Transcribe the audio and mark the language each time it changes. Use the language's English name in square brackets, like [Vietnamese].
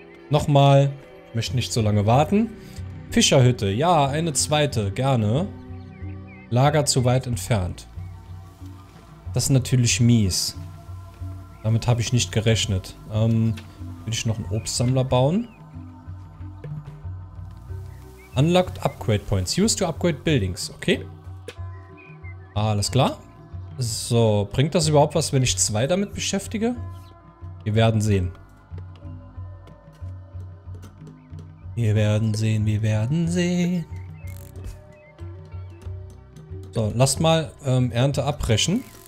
[German] Nochmal. Ich möchte nicht so lange warten. Fischerhütte. Ja, eine zweite. Gerne. Lager zu weit entfernt. Das ist natürlich mies. Damit habe ich nicht gerechnet. Will ich noch einen Obstsammler bauen? [English] Unlocked Upgrade Points. Used to upgrade buildings. [German] Okay. Alles klar. So, bringt das überhaupt was, wenn ich 2 damit beschäftige? Wir werden sehen. Wir werden sehen, wir werden sehen. So, lasst mal Ernte abbrechen.